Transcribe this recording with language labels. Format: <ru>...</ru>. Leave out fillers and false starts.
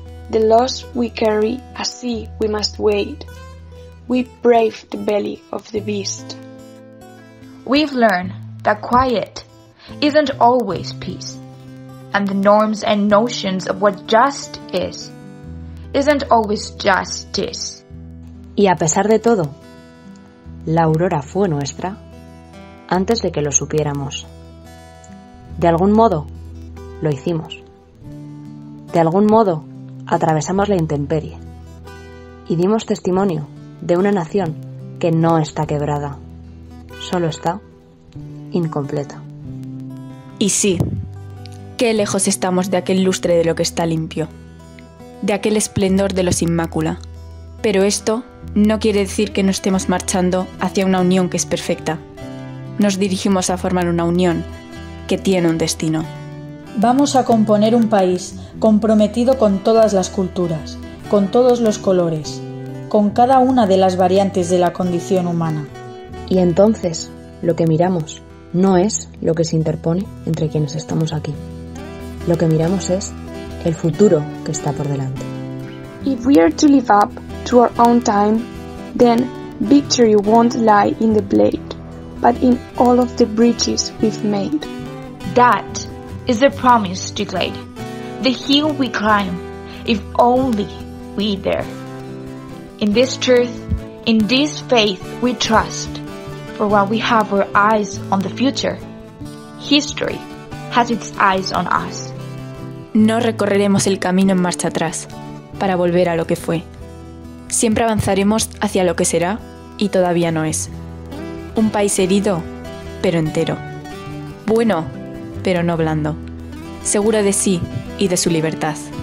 <en>The loss we carry, a sea we must wade. We brave the belly of the beast. We've learned that quiet isn't always peace, and the norms and notions of what just is isn't always justice.</en> <es>Y a pesar de todo, la aurora fue nuestra antes de que lo supiéramos. De algún modo, lo hicimos. De algún modo, atravesamos la intemperie y dimos testimonio de una nación que no está quebrada, solo está incompleta. Y sí, qué lejos estamos de aquel lustre de lo que está limpio, de aquel esplendor de los Inmácula. Pero esto no quiere decir que no estemos marchando hacia una unión que es perfecta. Nos dirigimos a formar una unión que tiene un destino. Vamos a componer un país comprometido con todas las culturas, con todos los colores, con cada una de las variantes de la condición humana. Y entonces, lo que miramos no es lo que se interpone entre quienes estamos aquí. Lo que miramos es el futuro que está por delante.</es> <en>If we are to live up to our own time, then victory won't lie in the blade, but in all of the bridges we've made. That is the promise declared, the hill we climb, if only we dare. In this truth, in this faith we trust, for while we have our eyes on the future, history has its eyes on us.</en> <es>No recorreremos el camino en marcha atrás, para volver a lo que fue. Siempre avanzaremos hacia lo que será y todavía no es. Un país herido, pero entero. Bueno, pero no blando. Seguro de sí y de su libertad.</es>